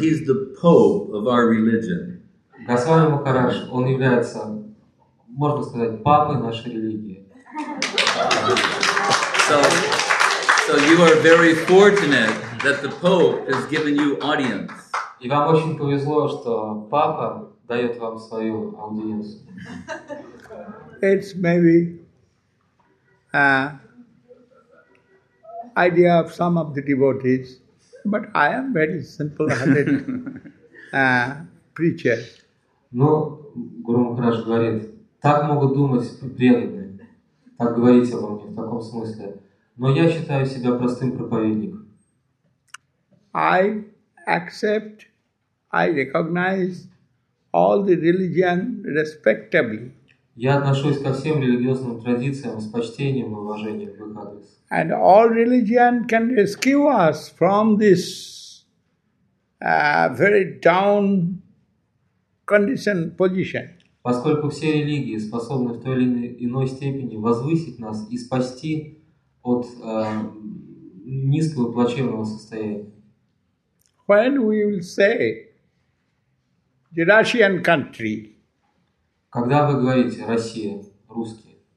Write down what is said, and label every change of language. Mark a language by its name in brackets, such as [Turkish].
[English] He's the Pope of our religion. [Russian] Goswami Maharaj, он является, можно сказать, папой нашей религии. [English] So you are very fortunate that the Pope has given you audience. [Russian] И вам очень повезло, что папа дает вам свою аудиенцию. [English] It's maybe idea of some of the devotees, but I am very simple-hearted preacher. [Russian] Ну, Гуру Махарадж говорит, так могут думать преданные. Так говорить обо мне в таком смысле. Но я считаю себя простым проповедником. [English] I accept, I recognize all the religion respectably. [Russian] Я отношусь ко всем религиозным традициям с почтением и уважением в их адрес. [English] And all religion can rescue us from this very down condition position. [Russian] Поскольку все религии способны в той или иной степени возвысить нас и спасти от низкого плачевного состояния. [English] When we will say the Russian country, [Russian] когда вы говорите Россия, русские,